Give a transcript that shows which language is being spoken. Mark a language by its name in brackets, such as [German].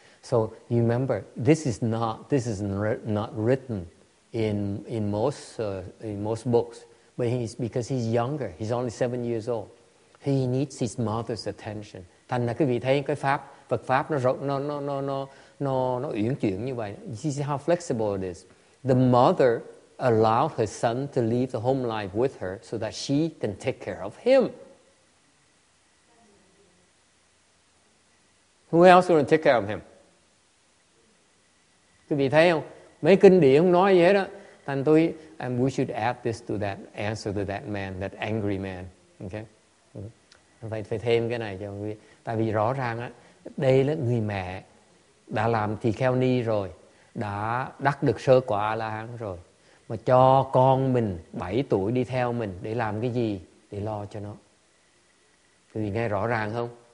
[English] So you remember, this is not written in most books, but because he's younger, he's only 7 years old, he needs his mother's attention. [Vietnamese] Thành là quý vị thấy cái pháp, Phật pháp nó uyển chuyển như vậy. [English] You see how flexible it is. The mother allowed her son to leave the home life with her so that she can take care of him. Who else is going to take care of him? [Vietnamese] Quý vị thấy không? Mấy kinh điển không nói gì hết á. Thành tôi, [English] and we should add this to that answer to that man, that angry man. Okay? [Vietnamese] Phải thêm cái này cho quý vị. Tại vì rõ ràng á, đây là người mẹ đã làm thì kheo ni rồi. Đã đắc được sơ quả A-la-hán rồi. Mà cho con mình 7 tuổi đi theo mình để làm cái gì? Để lo cho nó. Quý vị nghe rõ ràng không?